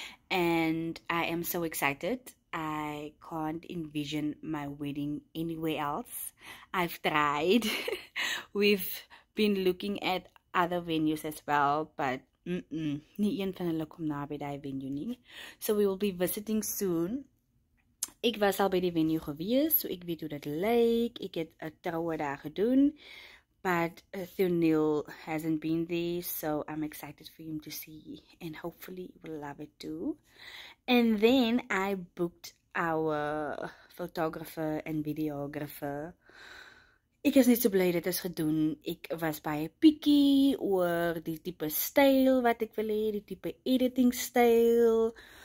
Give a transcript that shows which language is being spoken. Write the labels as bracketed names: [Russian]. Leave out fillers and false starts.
[English] And I am so excited. I can't envision my wedding anywhere else. I've tried. We've been looking at other venues as well, but [Afrikaans] nie een van hulle kom naby daai venue nie. [English] So we will be visiting soon. [Afrikaans] Ek was al by die venue gewees, so ek weet hoe dit lyk. Ek het 'n troue daar gedoen, [English] but Thuneel hasn't been there, so I'm excited for him to see and hopefully he will love it too. And then I booked our photographer and videographer. [Afrikaans] Ek is net so bly dit is gedoen. Ek was baie picky oor die tipe styl wat ek wil hê, die tipe editing styl.